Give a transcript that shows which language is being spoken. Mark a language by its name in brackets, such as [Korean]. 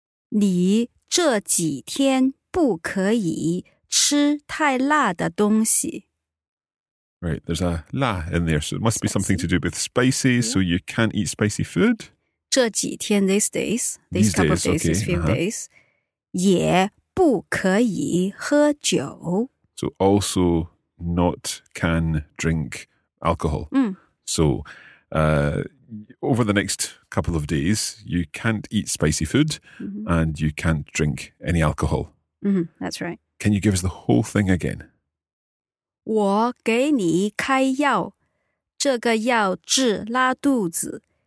[Chinese] 你这几天不可以吃太辣的东西. [English] Right, there's a 辣 in there, so it must be something to do with spicy, yeah. So you can't eat spicy food. [Chinese] 这几天, [English] these couple of days, okay, these few days, [Chinese] 也不可以喝酒. [English] So also not can drink alcohol. Mm. So over the next couple of days, you can't eat spicy food mm-hmm. and you can't drink any alcohol. Mm-hmm, that's right. Can you give us the whole thing again? [Chinese] 我给你开药,这个药治拉肚子。